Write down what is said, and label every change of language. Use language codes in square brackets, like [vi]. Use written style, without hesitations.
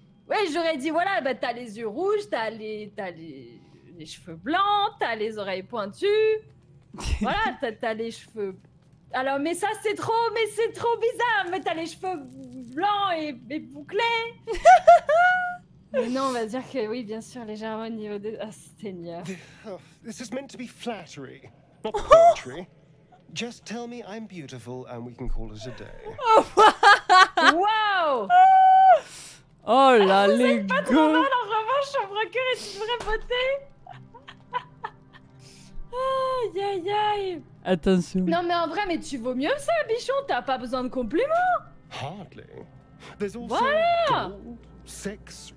[fr] Ouais, j'aurais dit, voilà, bah, t'as les yeux rouges, t'as les cheveux blancs, t'as les oreilles pointues. Voilà, t'as les cheveux... Alors, mais ça, c'est trop bizarre. Mais t'as les cheveux blancs et bouclés. Mais non, on va dire que oui, bien sûr, légèrement au niveau de... Oh, Seigneur. [en] This is meant to be flattery, not poetry. Just tell me I'm beautiful and we can call it a day. Oh, wow. [fr] Oh là, les Vous êtes pas trop mal, en revanche, un vrai cœur est une vraie beauté. Aïe, aïe, aïe. Attention. Non, mais en vrai, mais tu vaux mieux ça, bichon. T'as pas besoin de compliments. [en] Hardly. There's also voilà gold, sex,